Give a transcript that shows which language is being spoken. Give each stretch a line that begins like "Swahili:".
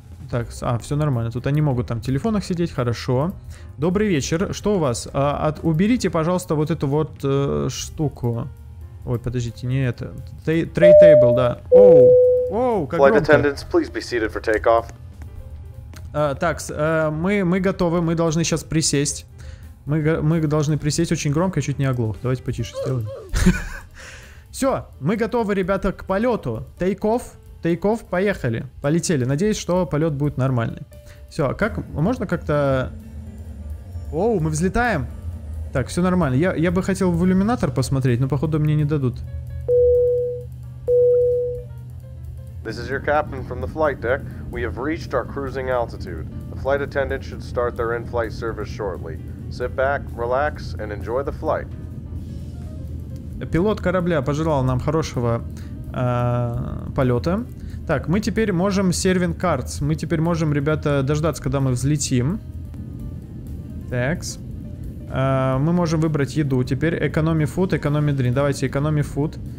Russian: Так, а, все нормально. Тут они могут там в телефонах сидеть, хорошо. Добрый вечер. Что у вас? Уберите, пожалуйста, вот эту вот штуку. Ой, подождите, не это. Tray table, да. Оу, оу, как громко.
English: Flight attendants, please be seated for takeoff.
Russian: Так, мы готовы, мы должны сейчас присесть. Мы должны присесть очень громко, чуть не оглох. Давайте потише сделаем. Все, мы готовы, ребята, к полету. Тейк-офф, тейк-офф, поехали. Полетели, надеюсь, что полет будет нормальный. Все, как, можно как-то... Оу, мы взлетаем. Так, все нормально. Я бы хотел в иллюминатор посмотреть, но походу мне не дадут.
English: This is your captain from the flight deck. We have reached our cruising altitude. The flight attendants should start their in-flight service shortly. Sit back, relax, and enjoy the flight.
Russian: Пилот корабля пожелал нам хорошего полета. Так, мы теперь можем
English: serving cards.
Russian: Мы теперь можем, ребята, дождаться, когда мы взлетим. Так. Мы можем выбрать еду. Теперь
English: economy food, economy drink.
Russian: Давайте
English: economy food.